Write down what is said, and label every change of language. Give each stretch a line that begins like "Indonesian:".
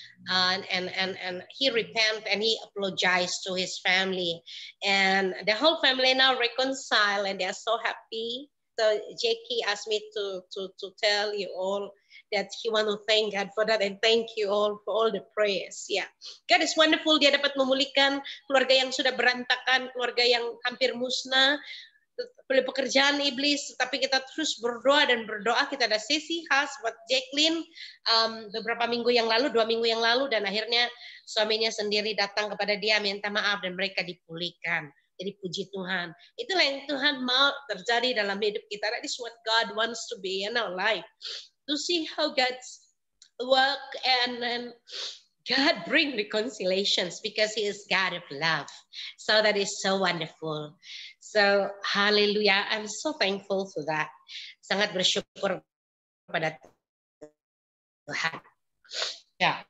English: And he repent and he apologized to his family. And the whole family now reconcile and they are so happy. So Jackie asked me to tell you all that he want to thank God for that and thank you all for all the prayers. Yeah, God is wonderful.
Indonesian: Dia dapat memulihkan keluarga yang sudah berantakan, keluarga yang hampir musnah oleh pekerjaan iblis. Tapi kita terus berdoa dan berdoa. Kita ada sesi khas buat Jacqueline dua minggu yang lalu, dan akhirnya suaminya sendiri datang kepada dia minta maaf dan mereka dipulihkan. Jadi puji Tuhan. Itulah yang Tuhan mau terjadi dalam hidup kita.
English: That is what God wants to be in our life. To see how God work and then God bring reconciliations because he is God of love. So that is so wonderful. So hallelujah. I'm so thankful for that.
Indonesian: Sangat bersyukur kepada Tuhan.
English: Yeah.